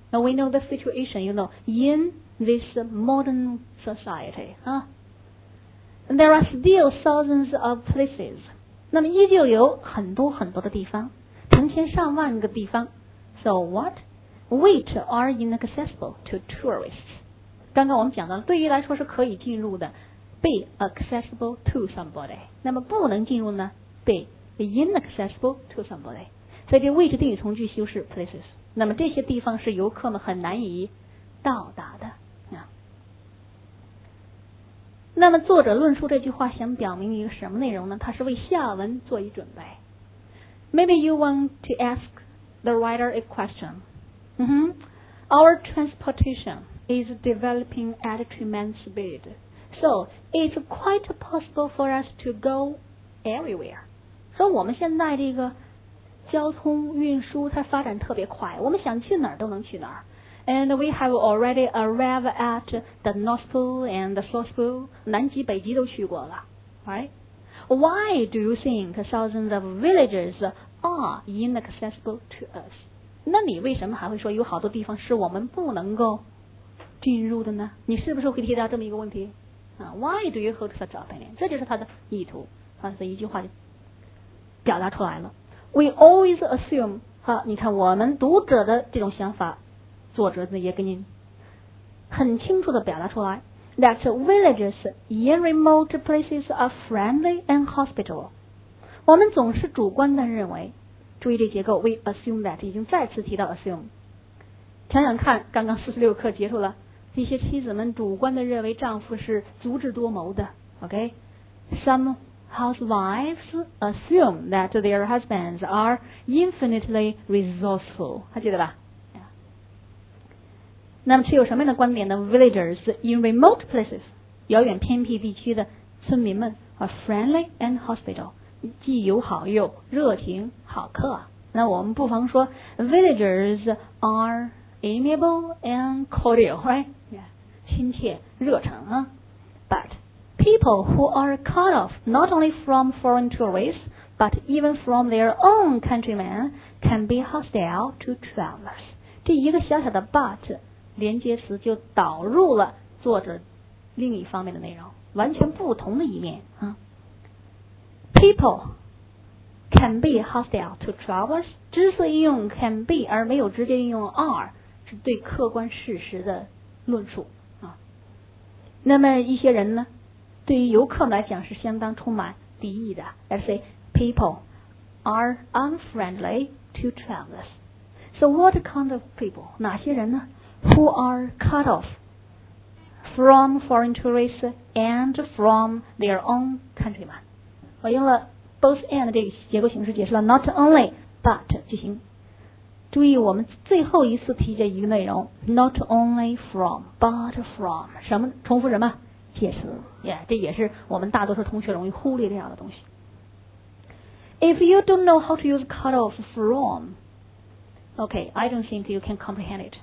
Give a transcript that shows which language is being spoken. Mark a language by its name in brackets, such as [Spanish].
[English] Now we know the situation, you know, in this modern society, There are still thousands of places. [Chinese] 那么依旧有很多很多的地方，成千上万个地方。 [English] So what? Which are inaccessible to tourists? [Chinese] 刚刚我们讲到了，对于来说是可以进入的 [English] be accessible to somebody, [Chinese] 那么不能进入呢 [English] be inaccessible to somebody, [Chinese] 所以这位置定语从句修饰 places, 那么这些地方是游客们很难以到达的、那么作者论述这句话想表明一个什么内容呢？他是为下文做一准备。 [English] Maybe you want to ask the writer a question、 Our transportationis developing at a tremendous speed. So, it's quite possible for us to go everywhere. [Chinese] 所以我们现在这个交通运输它发展特别快，我们想去哪儿都能去哪儿。 [English] And we have already arrived at the North Pole and the South Pole. [Chinese] 南极北极都去过了。 [English] Right? Why do you think thousands of villages are inaccessible to us? [Chinese] 那你为什么还会说有好多地方是我们不能够进入的呢？你是不是会提到这么一个问题？ [English] Why do you hold such opinion? [Chinese] 这就是他的意图，他的一句话就表达出来了。 [English] We always assume, [Chinese] 你看我们读者的这种想法，作者也给您很清楚的表达出来 [English] ,that villages in remote places are friendly and hospitable. [Chinese] 我们总是主观的认为，注意这结构 , [English] we assume that, [Chinese] 已经再次提到 assume。想想看，刚刚46课结束了，一些妻子们主观的认为丈夫是足智多谋的 ，OK? [English] Some housewives assume that their husbands are infinitely resourceful， [Chinese] 还记得吧？Yeah. 那么持有什么样的观点呢 ？ [English] Villagers in remote places， [Chinese] 遥远偏僻地区的村民们 [English] are friendly and hospitable， [Chinese] 既友好又热情好客。那我们不妨说 [English] ，villagers are amiable and cordial, right? Yeah. [Chinese] 亲切热诚啊。 [English] But people who are cut off not only from foreign tourists, but even from their own countrymen can be hostile to travelers. [Chinese] 这一个小小的 but 连接词就导入了作者另一方面的内容，完全不同的一面啊。 [English] People can be hostile to travelers. [Chinese] 之所以用 can be 而没有直接应用 are， 是对客观事实的论述啊。那么一些人呢，对于游客来讲是相当充满敌意的。 [English] Let's say people are unfriendly to travelers. So what kind of people? [Chinese] 哪些人呢 [English] ？Who are cut off from foreign tourists and from their own countrymen? [Chinese] 我用了 both and 这个结构形式解释了 not only but 句型。注意我们最后一次提这一个内容 [English] not only from but from [Chinese] 什么重复什么？解释 yeah, 这也是我们大多数同学容易忽略这样的东西。 [English] If you don't know how to use cut off from, okay, I don't think you can comprehend it.